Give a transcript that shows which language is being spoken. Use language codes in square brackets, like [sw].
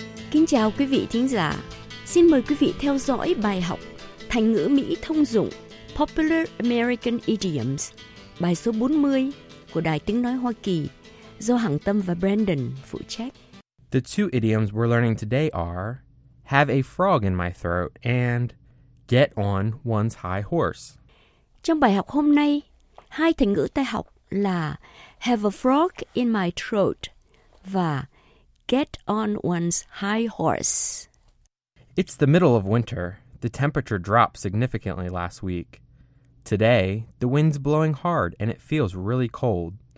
[vi] Kính chào quý vị thính giả. Xin mời quý vị theo dõi bài học Thành ngữ Mỹ thông dụng Popular American Idioms, bài số 40 của Đài Tiếng Nói Hoa Kỳ, do Hằng Tâm và Brandon phụ trách. [en] The two idioms we're learning today are have a frog in my throat and get on one's high horse. [vi] Trong bài học hôm nay, hai thành ngữ ta học là [en] have a frog in my throat [vi] và [en] get on one's high horse. It's the middle of winter. The temperature dropped significantly last week. Today, the wind's blowing hard and it feels really cold.